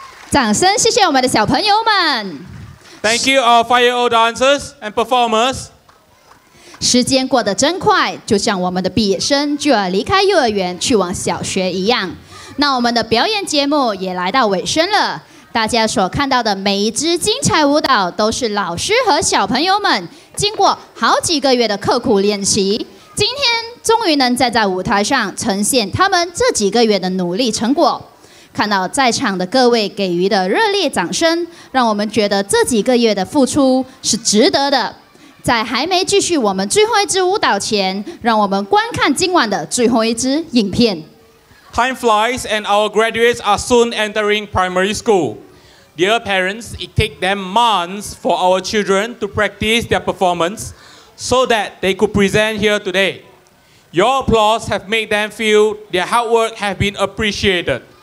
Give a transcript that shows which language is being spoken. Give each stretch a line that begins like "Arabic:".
English: Thank you, our five-year-old dancers and performers.
Chinese: 时间过得真快，就像我们的毕业生就要离开幼儿园去往小学一样。那我们的表演节目也来到尾声了，大家所看到的每一支精彩舞蹈都是老师和小朋友们经过好几个月的刻苦练习，今天终于能站在舞台上呈现他们这几个月的努力成果。看到在场的各位给予的热烈掌声，让我们觉得这几个月的付出是值得的。在还没继续我们最后一支舞蹈前，让我们观看今晚的最后一支影片。
English: Time flies and our graduates are soon entering primary school. Dear parents, it takes them months for our children to practice their performance so that they could present here today. Your applause have made them feel their hard work have been appreciated.